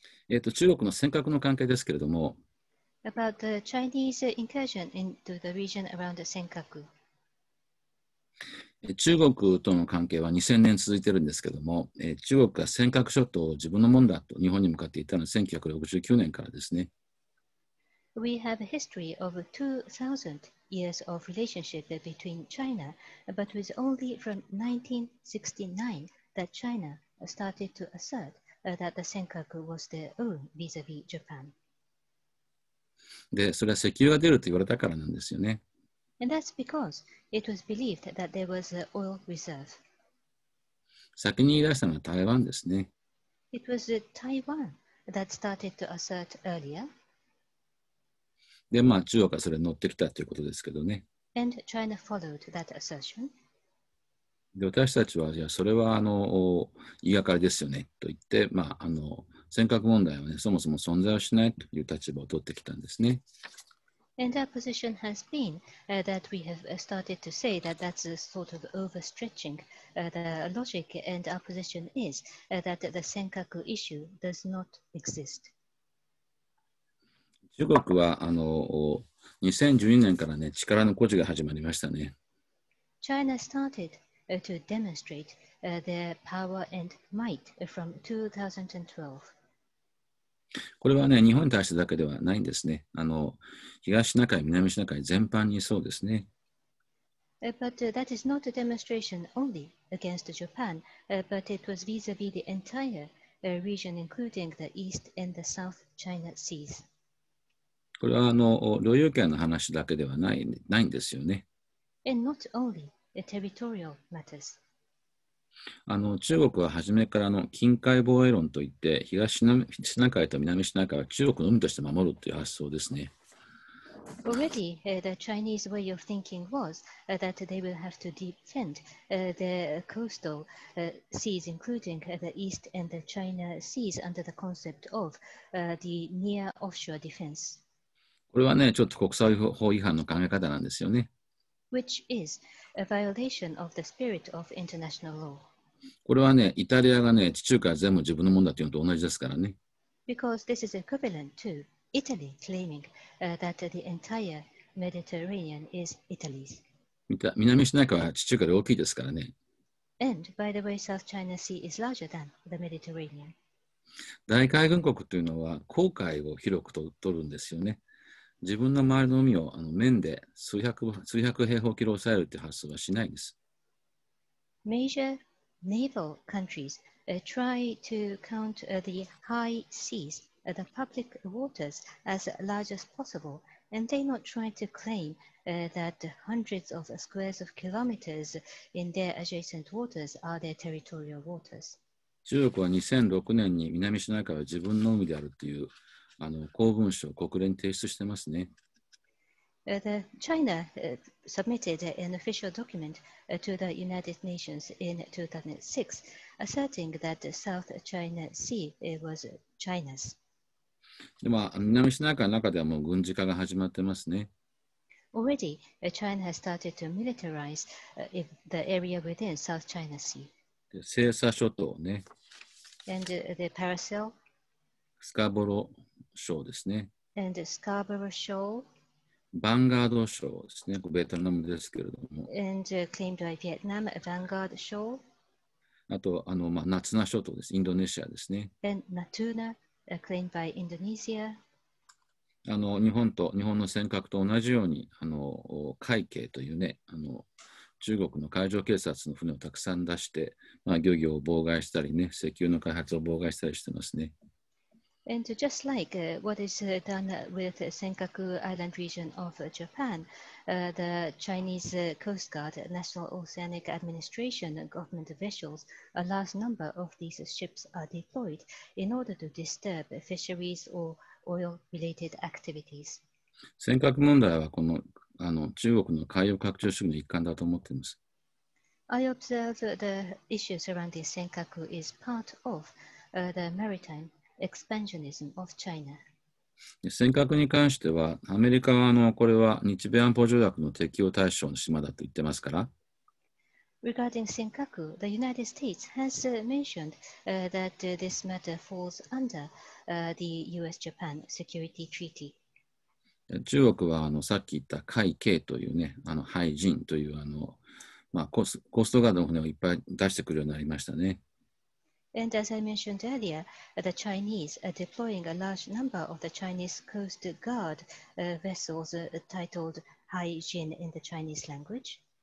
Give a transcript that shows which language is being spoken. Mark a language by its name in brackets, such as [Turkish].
[Japanese] 中国の尖閣の関係ですけれども、 [English] About the Chinese incursion into the region around the 尖閣。 [Japanese] 中国との関係は2000年続いてるんですけども、中国が尖閣諸島を自分のものだと日本に向かっていたのは1969年からですね。 [English] We have a history of 2000 years of relationship between China, but was only from 1969 that China started to assert that the 尖閣 was their own vis-à-vis Japan. [Japanese] で、それは石油が出ると言われたからなんですよね。 [English] And that's because it was believed that there was an oil reserve. [Japanese] 先に言い出したのは台湾ですね。 [English] It was Taiwan that started to assert earlier. [Japanese] で、まあ中国はそれに乗ってきたということですけどね。 [English] And China followed that assertion. [Japanese] で、私たちは、いや、それは言いがかりですよねと言って、まあ尖閣問題は、ね、そもそも存在をしないという立場を取ってきたんですね。 [English] And our position has been that we have started to say that that's a sort of overstretching the logic, and our position is that the 尖閣 issue does not exist. [Japanese] 中国は2012年から、ね、力の誇示が始まりましたね。 [English] China started to demonstrate their power and might from 2012. [Japanese] これはね、日本に対してだけではないんですね。東シナ海、南シナ海全般にそうですね。 [English] But that is not a demonstration only against Japan, but it was vis-à-vis the entire region, including the East and the South China Seas. [Japanese] これは領有権の話だけではないんですよね。 [English] And not only the territorial matters. [Japanese] 中国は初めからの近海防衛論といって東シナ海と南シナ海は中国の海として守るという発想ですね。 [English] Already, the Chinese way of thinking was that they will have to defend the coastal seas, including the East and the China Seas, under the concept of the near offshore defense. [Japanese] これはね、ちょっと国際法違反の考え方なんですよね。 [English] Which is a violation of the spirit of international law. [Japanese] これはね、イタリアがね、地中海全部自分のものだというのと同じですからね。 [English] Because this is equivalent to Italy claiming that the entire Mediterranean is Italy's. [Japanese] 南シナ海は地中海で大きいですからね。 [English] And by the way, South China Sea is larger than the Mediterranean. [Japanese] 大海軍国というのは航海を広く取るんですよね。自分の周りの海を面で数百平方キロ抑えるという発想はしないんです。 [English] Major naval countries try to count the high seas, the public waters, as large as possible, and they not try to claim that hundreds of squares of kilometers in their adjacent waters are their territorial waters. [Japanese] 中国は2006年に南シナ海は自分の海であるという公文書を国連提出してますね。 [English] China submitted an official document to the United Nations in 2006, asserting that the South China Sea was China's. [Japanese] でも、南シナ海の中ではもう軍事化が始まってますね。 [English] Already, China has started to militarize the area within South China Sea. [Japanese] で、西沙諸島ね。 [English] And the Paracel. [Japanese] スカボロ。ショーですね。 [English] And Scarborough Shoal。 [Japanese] バンガードショーですね。ベトナムですけれども。 [English] And claimed by Vietnam, Vanguard Shoal。 [Japanese] あと、まあ、ナツナ諸島です。インドネシアですね。 [English] And Natuna, claimed by Indonesia。 [Japanese] 日本の尖閣と同じように、海警というね、中国の海上警察の船をたくさん出して、まあ、漁業を妨害したりね、石油の開発を妨害したりしてますね。 [English] And just like what is done with the Senkaku Island region of Japan, the Chinese Coast Guard, National Oceanic Administration, and government officials, a large number of these ships are deployed in order to disturb fisheries or oil-related activities. [Japanese] 尖閣問題はこの、中国の海洋拡張主義の一環だと思っています。 [English] I observe the issue surrounding Senkaku is part of the maritime. Expansionism of China. [Japanese] 尖閣に関してはアメリカはこれは日米安保条約の適用対象の島だと言ってますから。 [English] Regarding Senkaku, the United States has mentioned that this matter falls under the US-Japan Security Treaty. [Japanese] 中国はさっき言った海警というね、海人というまあ、コストガードの船をいっぱい出してくるようになりましたね。 [English] And as I mentioned earlier, the Chinese are deploying a large number of the Chinese Coast Guard vessels titled 海人 in the Chinese language.